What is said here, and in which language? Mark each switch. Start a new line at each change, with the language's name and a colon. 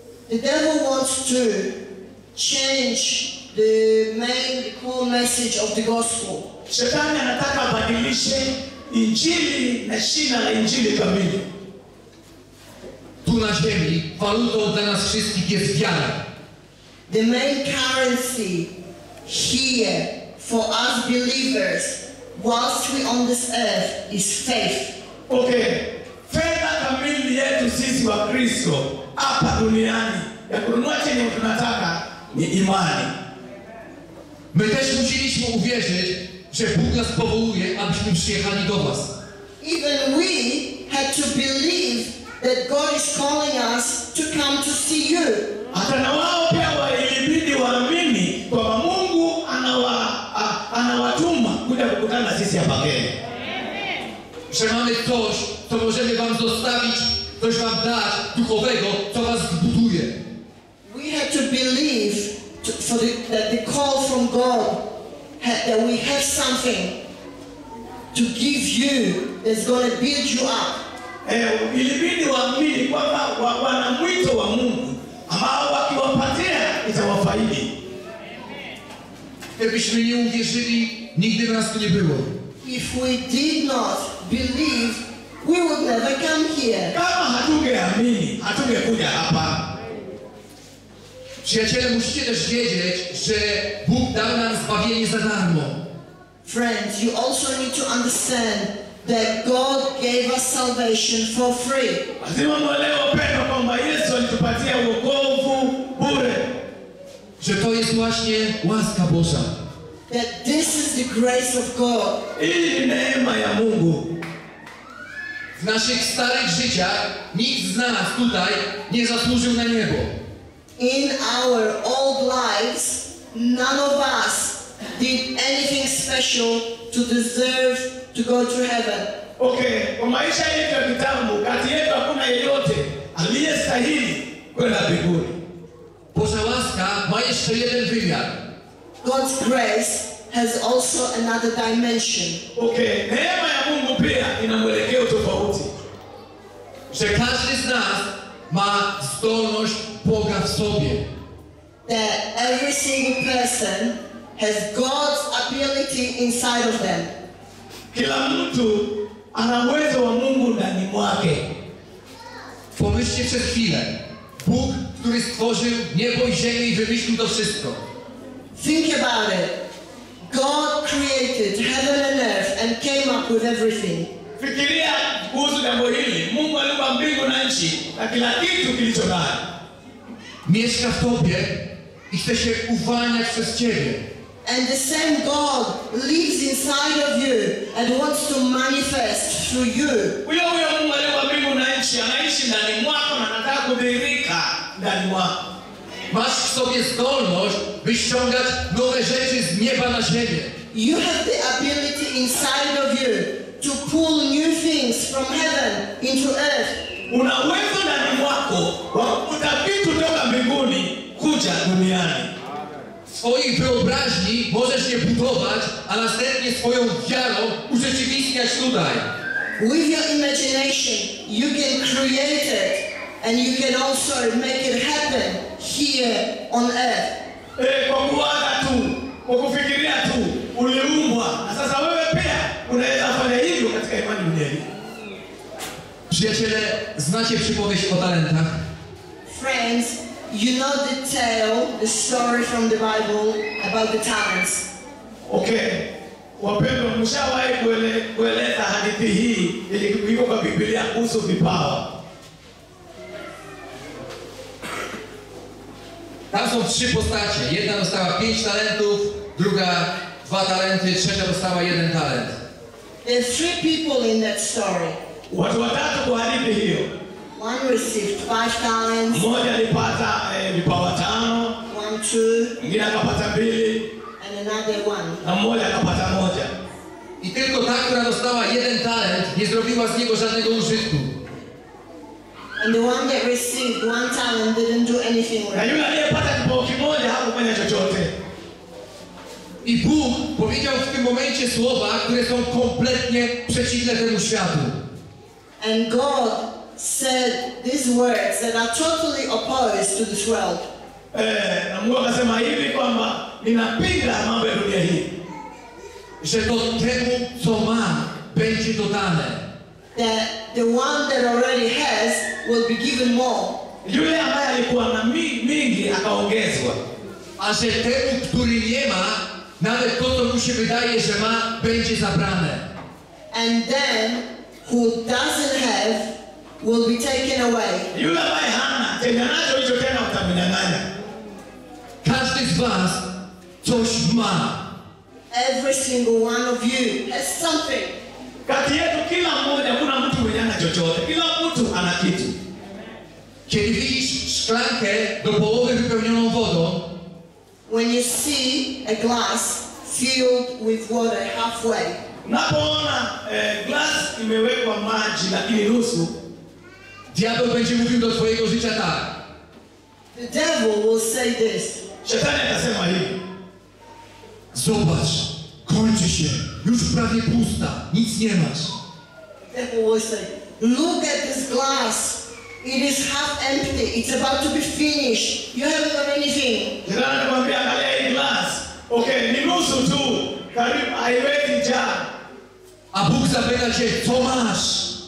English: The devil wants to change the main core message of the gospel.
Swahili: Szatan anataka badilishe Injili na shina la Injili kamili.
Polish: Tu na ziemi walutą dla nas wszystkich jest wiara.
English: The main currency here for us believers whilst we on this earth is faith.
Swahili: Okay, fedha kamili yetu sisi wa Kristo hapa duniani ya kununua chenye tunataka ni imani.
Polish: My też musieliśmy uwierzyć, że Bóg nas powołuje, abyśmy przyjechali do was.
English: Even we had to believe that God is calling us to come to see you.
Swahili: Hata na wao pia walibidi waamini kwamba Mungu anawatuma kuja kukutana na sisi hapa kesho.
Polish: Że mamy coś, co możemy wam zostawić, coś wam dać duchowego, co was zbuduje.
English: We had to believe that the call from God that we have something to give you that's going to build you up.
Swahili: Ilibidi waamini kwamba wana mwito wa Mungu ambao wakiwapatia itawafaidi.
Polish: Gdybyśmy nie uwierzyli, nigdy nas tu nie było.
English: If we did not believe, we would never come here.
Swahili: Kama hatungeamini, hatungekuja hapa.
Polish: Przyjaciele, musicie też wiedzieć, że Bóg dał nam zbawienie za darmo.
English: Friends, you also need to understand that God gave us salvation for free.
Swahili: Lazima mwelewe upendo kwamba Yesu alitupatia wokovu bure.
Polish: Że to jest właśnie łaska Boża.
English: That this is the grace of God.
Swahili: Hii neema ya Mungu.
Polish: W naszych starych życiach nikt z nas tutaj nie zasłużył na niebo.
English: In our old lives, none of us did anything special to deserve to go to heaven.
Swahili: Okay, kwa maisha yetu ya kitambo, kati yetu hakuna yeyote aliyestahili kwenda mbinguni.
Polish: Boża łaska ma jeszcze jeden wymiar.
English: God's grace has also another dimension.
Swahili: Okay, neema ya Mungu pia ina mwelekeo tofauti.
Polish: Że każdy z nas ma zdolność Boga w sobie.
English: That every single person has God's ability inside of them.
Swahili: Kila mtu ana uwezo wa Mungu ndani mwake.
Polish: Pomyślcie przez chwilę. Bóg, który stworzył niebo i ziemię i wymyślił to wszystko.
English: Think about it. God created heaven and earth and came up with everything.
Swahili: Fikiria kuhusu jambo hili. Mungu aliumba mbingu na nchi na kila kitu kilicho nayo.
Polish: Mieszka w tobie i chce się uwalniać przez ciebie.
English: And the same God lives inside of you and wants to manifest through you.
Swahili: Huyo huyo Mungu aliumba mbingu na nchi anaishi ndani mwako na anataka kudhihirika ndani mwako.
Polish: Masz w sobie zdolność wyciągać nowe rzeczy z nieba na ziemię.
English: You have the ability inside of you to pull new things from heaven into earth.
Swahili: Una uwezo ndani mwako wa kuta vitu toka mbinguni kuja duniani.
Polish: Swoich wyobraźni możesz je budować, a następnie swoją wiarą urzeczywistniać tutaj.
English: With your imagination you can create it and you can also make it happen here on earth.
Swahili: Kwa kuwaza tu, kwa kufikiria tu, uliumbwa. Na sasa wewe pia, unaweza fanya hivyo katika imani mwenyewe.
Polish: Przyjaciele, znacie przypowieść o talentach?
English: Friends, you know the tale, the story from the Bible about the talents.
Swahili: Okay. Wapendwa, mshawahi kueleza hadithi hii ili iko kwa Biblia kuhusu vipawa.
Polish: Tam są trzy postacie. Jedna dostała 5 talentów, druga 2 talenty, trzecia dostała 1 talent.
English: There are 3 people in that story.
Swahili: Watu watatu kwa hadithi hiyo.
English: One received 5 talents.
Swahili: Mmoja alipata vipawa tano.
English: One, two.
Swahili: Mwingine akapata mbili.
English: And another one.
Swahili: Na mmoja akapata moja.
Polish: I tylko ta, która dostała 1 talent, nie zrobiła z niego żadnego użytku.
English: And the one that received 1 talent didn't do anything with
Swahili: it. Na yule aliyepata kipawa kimoja hakufanya chochote.
Polish: I Bóg powiedział w tym momencie słowa, które są kompletnie przeciwne temu światu.
English: And God said these words that are totally opposed to this world.
Swahili: Na Mungu akasema hivi kwamba ninapinga mambo ya dunia hii.
Polish: Że to temu co ma będzie dodane.
English: That the one that already has will be given more.
Swahili: Yule ambaye alikuwa na mingi akaongezwa.
Polish: Aje temu, który nie ma, nawet to mu się wydaje, że ma, będzie zabrane.
English: And then, who doesn't have, will be taken away.
Swahili: Yule ambaye hana, tena nacho hicho tena utamnyang'anya.
Polish: Każdy z was coś ma.
English: Every single one of you has something.
Swahili: Kati yetu kila mmoja kuna mtu mwenye ana chochote. Kila mtu ana kitu.
Polish: Kiedy widzisz szklankę do połowy wypełnioną wodą,
English: when you see a glass filled with water halfway,
Swahili: napoona glass imewekwa maji lakini nusu,
Polish: diabeł będzie mówił do twojego życia tak.
English: The devil will say this.
Swahili: Szatan atasema hivi.
Polish: Zobacz, kończy się. Już prawie pusta, nic nie masz.
English: The devil will say, look at this glass. It is half empty. It's about to be finished. You haven't got anything.
Swahili: Jirani anamwambia angalia hii glass. Okay, ni nusu tu. Karibu haiwezi jaa. Abuku zapenda je, Thomas.